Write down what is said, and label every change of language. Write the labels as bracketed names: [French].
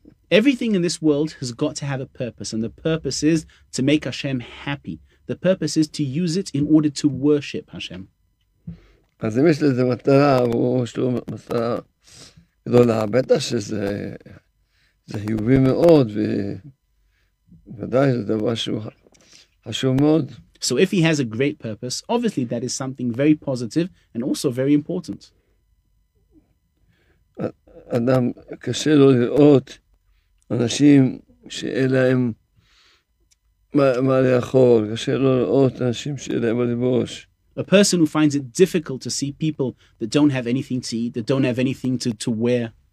[English] Everything in this world has got to have a purpose, and the purpose is to make Hashem happy. The purpose is to use it in order to worship Hashem. [Hebrew] אז אם יש לזה מטרה, יש לו מטרה גדולה, בטח שזה חיובי מאוד, ובוודאי זה דבר שהוא חשוב מאוד. [English] So if he has a great purpose, obviously that is something very positive and also very important. [Hebrew] אדם קשה לו לראות אנשים שאין להם מה לאכול, קשה לו לראות אנשים שאין להם מה לבוש. [English] A person who finds it difficult to see people that don't have anything to eat, that don't have anything to wear.